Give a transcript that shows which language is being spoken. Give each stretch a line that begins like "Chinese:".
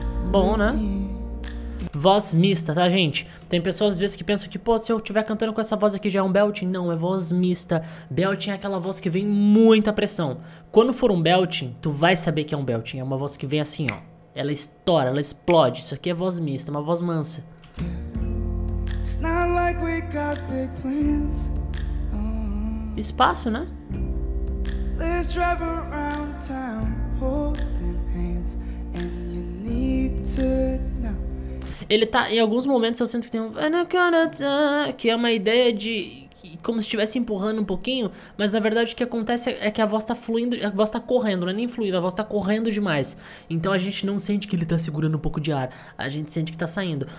Portuguese: Bom, né? Voz mista, tá, gente? Tem pessoas às vezes que pensam que, pô, se eu estiver cantando com essa voz aqui já é um belting. Não, é voz mista. Belting é aquela voz que vem muita pressão. Quando for um belting, tu vai saber que é um belting. É uma voz que vem assim, ó. Ela estoura, ela explode. Isso aqui é voz mista, uma voz mansa.
English: It's not like we got big plans.
Portuguese: Espaço, né?
English: Let's travel around town holding hands and you need to know.
Portuguese: Ele tá, em alguns momentos eu sinto que tem um que é uma ideia de como se estivesse empurrando um pouquinho, mas na verdade o que acontece é que a voz tá fluindo, a voz tá correndo, não é nem fluindo, a voz tá correndo demais. Então a gente não sente que ele tá segurando um pouco de ar, a gente sente que tá saindo.